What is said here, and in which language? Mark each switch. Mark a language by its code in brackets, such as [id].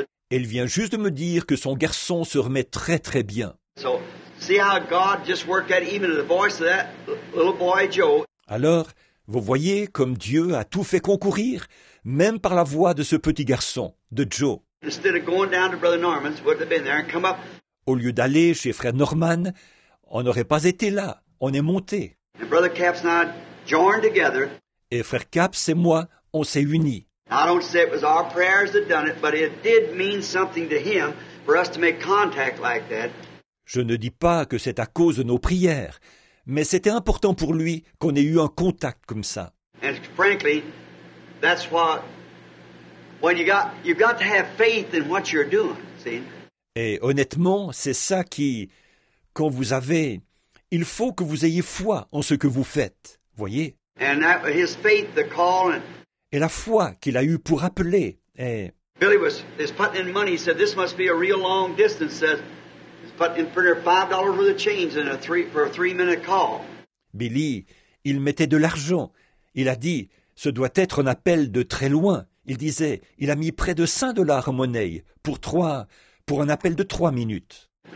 [fr] Et il vient juste de me dire que son garçon se remet très très bien. [en] So, see how God just worked out even in the voice of that little boy Joe. [fr] Alors, Vous voyez comme Dieu a tout fait concourir, même par la voix de ce petit garçon, de Joe. [en] Instead of going down to Brother Norman's, would have been there and come up. [fr] Au lieu d'aller chez Frère Norman, on n'aurait pas été là. On est monté. [en] And Brother Caps and I joined together. [fr] Et Frère Caps et moi, on s'est unis. [en] I don't say it was our prayers that done it, but it did mean something to him for us to make contact like that. [fr] Je ne dis pas que c'est à cause de nos prières, mais c'était important pour lui qu'on ait eu un contact comme ça. [en] And frankly, that's what. When you got to have faith in what you're doing, see? [fr] Et honnêtement, c'est ça qui, quand vous avez, il faut que vous ayez foi en ce que vous faites, voyez? [en] And that, his faith, the call, and [fr] et la foi qu'il a eue pour appeler est. [en] Billy was putting in money. He said, "This must be a real long distance." Says, "He's putting in $5 for the change and for a three-minute call." [fr] Billy, il mettait de l'argent. Il a dit, "Ce doit être un appel de très loin." Il disait, il a mis près de $5 en monnaie pour un appel de 3 minutes.